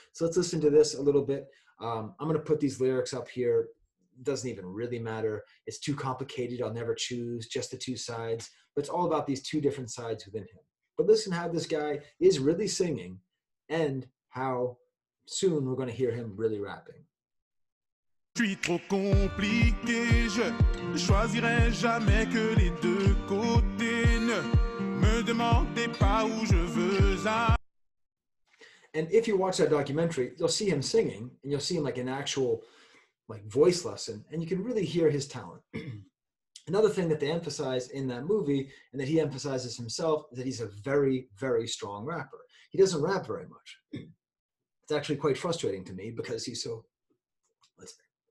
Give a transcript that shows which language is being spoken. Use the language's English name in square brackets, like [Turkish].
[English] So let's listen to this a little bit. I'm going to put these lyrics up here. Doesn't even really matter. It's too complicated. I'll never choose just the two sides. But it's all about these two different sides within him. But listen how this guy is really singing and how soon we're going to hear him really rapping. [French] Je suis trop compliqué, je choisirai jamais que les deux côtés. Ne me demandez pas où je veux aller. [English] And if you watch that documentary, you'll see him singing and you'll see him like an actual like voice lesson, and you can really hear his talent. Another thing that they emphasize in that movie and that he emphasizes himself is that he's a very, very strong rapper. He doesn't rap very much. It's actually quite frustrating to me because he's so, let's see.